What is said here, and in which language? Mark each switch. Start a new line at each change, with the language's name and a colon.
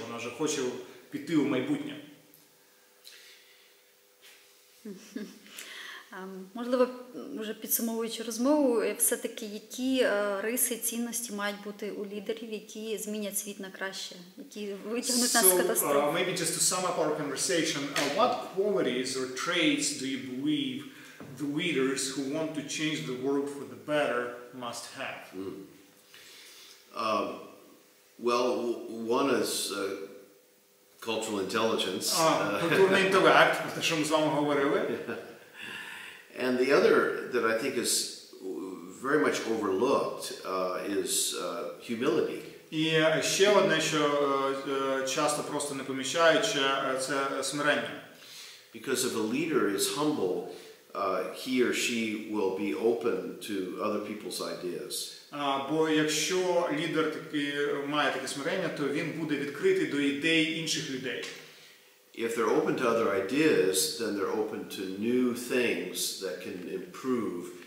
Ukrainian: Вона вже хоче піти у майбутнє. Можливо, вже підсумовуючи розмову, все-таки які риси, цінності мають бути у лідерів, які змінять світ на краще, які витягнуть нас з катастрофи?
English: So, maybe just to sum up our conversation, what qualities or traits do you believe the leaders who want to change the world for the better must have? Well, one is cultural intelligence.
Ukrainian: Культурний інтелект, про те, що ми з вами говорили.
English: And the other that I think is very much overlooked is humility.
Ukrainian: І ще одне, що часто просто не помічають, це смирення.
English: Because if a leader is humble, he or she will be open to other people's ideas.
Ukrainian: Бо якщо лідер такий має таке смирення, то він буде відкритий до ідей інших людей.
English: If they're open to other ideas, then they're open to new things that can improve